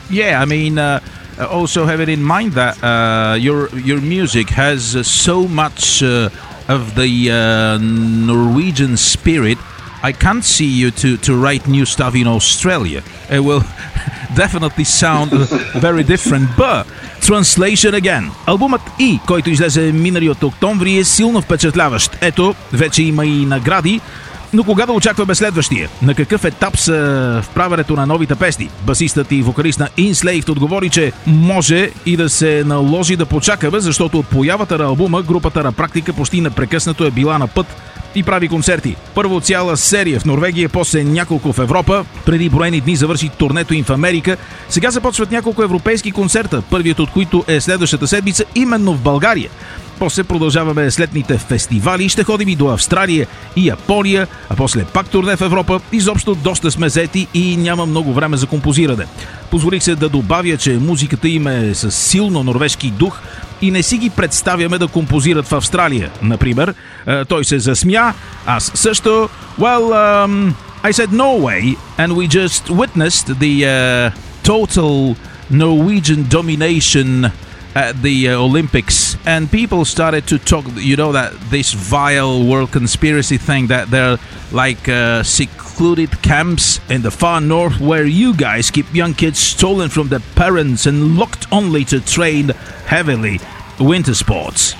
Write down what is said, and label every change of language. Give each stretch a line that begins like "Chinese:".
English: Yeah, I mean, also have it in mind that your music has so much of the Norwegian spirit. I can't see you to write new stuff in Australia. It will definitely sound very different, but translation again.
Bulgarian: Албумът E, който излезе миналият октомври, е силно впечатляващ. Ето, вече има и награди, но кога да очакваме следващия? На какъв етап са вправането на новите песни? Басистът и вокалист на Enslaved отговори, че може и да се наложи да почакаме, защото от появата на албума групата на практика почти непрекъснато е била на път и прави концерти. Първо цяла серия в Норвегия, после няколко в Европа. Преди броени дни завърши турнето им в Америка. Сега започват няколко европейски концерта, първият от които е следващата седмица именно в България. После продължаваме следните фестивали, ще ходим и до Австралия и Япония, а после пак турне в Европа. Изобщо доста сме заети и няма много време за композиране. Позволих се да добавя, че музиката им е със силно норвежки дух и не си ги представяме да композират в Австралия. Например, той се засмя, аз също.
English: Well, I said Norway, and we just witnessed the total Norwegian domination at the Olympics, and people started to talk, you know, that this vile world conspiracy thing, that they're like secluded camps in the far north where you guys keep young kids stolen from their parents and locked only to train heavily winter sports.